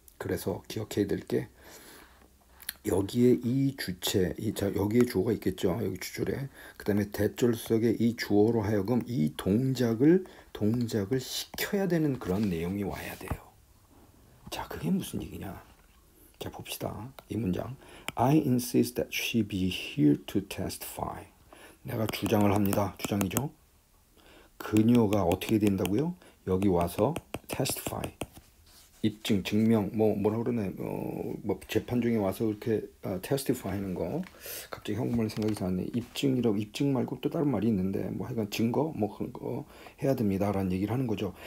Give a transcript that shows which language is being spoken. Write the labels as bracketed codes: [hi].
[ko] 그래서 기억해야 될 게 여기에 이 주체, 여기에 주어가 있겠죠. 여기 주절에. 그 다음에 대절 속에 이 주어로 하여금 이 동작을 시켜야 되는 그런 내용이 와야 돼요. 자, 그게 무슨 얘기냐. 자, 봅시다. 이 문장. [en] I insist that she be here to testify. [ko] 내가 주장을 합니다. 주장이죠. 그녀가 어떻게 된다고요? 여기 와서 testify. 입증, 증명, 뭐라 그러네. 뭐 재판 중에 와서 이렇게 testify 하는 거. 갑자기 한국말 생각이 나네. 입증이라고, 입증 말고 또 다른 말이 있는데, 뭐 하여간 증거, 뭐 그런 거 해야 됩니다. 라는 얘기를 하는 거죠.